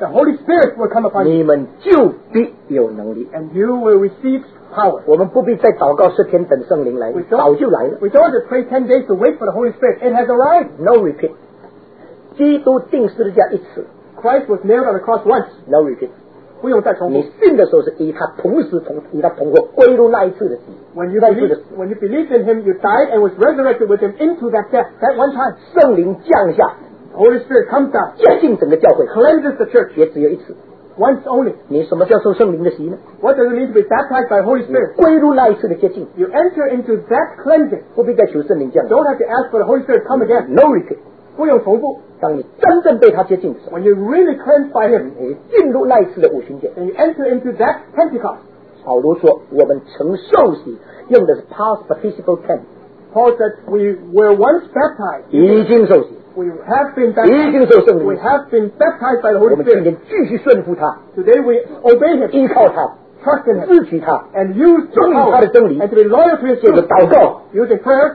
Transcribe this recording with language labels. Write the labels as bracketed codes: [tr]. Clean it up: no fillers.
[en] The Holy Spirit will come upon you. [zh] 你们就必有能力 [en] And you will receive power. [zh] 我们不必再祷告十天等圣灵来早就来了 [en] We don't have to pray 10 days to wait for the Holy Spirit. It has arrived. No repeat. [zh] 基督钉十字架一次 [en] Christ was nailed on the cross once No repeat [zh] 不用再重复你信的时候是与他同时同与他同活归入那一次的死 [en] When you believed in him you died and was resurrected with him into that death that one time [zh] 圣灵降下 [en] Holy Spirit comes down [zh] 洁净整个教会 [en] cleanses the church [zh] 也只有一次 [en] once only [zh] 你什么叫受圣灵的洗呢 [en] What does it mean to be baptized by Holy Spirit [zh] 归入那一次的洁净 [en] You enter into that cleansing [zh] 不必再求圣灵降下 [en] Don't have to ask for the Holy Spirit to come again No repeat [zh] 不用重复当你真正被他接近的时候 [en] When you're really cleansed by him [zh] 你进入那一次的五旬节 [en] Then you enter into that Pentecost [zh] 保罗说我们曾受洗用的是 [en] past participle tense Paul said we were once baptized [zh] 已经受洗 [en] We have been baptized [zh] 已经受圣灵 [en] We have been baptized by the Holy Spirit [zh] 我们今天继续顺服他 [en] Today we obey him [zh] 依靠他 [en] Trust in him [zh] 支取他 [en] And use the power [zh] 忠于他的真理 [en] And to be loyal to his [zh] truth 就是祷告 [en] Using prayer,